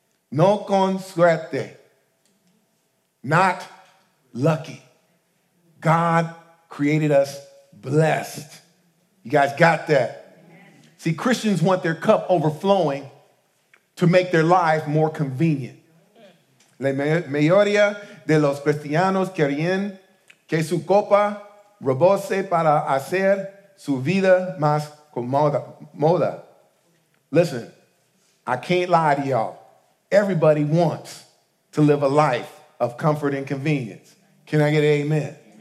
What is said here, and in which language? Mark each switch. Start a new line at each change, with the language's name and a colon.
Spanish: No con suerte.
English: Not lucky. God created us blessed. You guys got that? See, Christians want their cup overflowing to make their life more convenient.
Spanish: La mayoría de los cristianos querían que su copa rebose para hacer su vida más cómoda.
English: Listen, I can't lie to y'all. Everybody wants to live a life of comfort and convenience. Can I get an amen?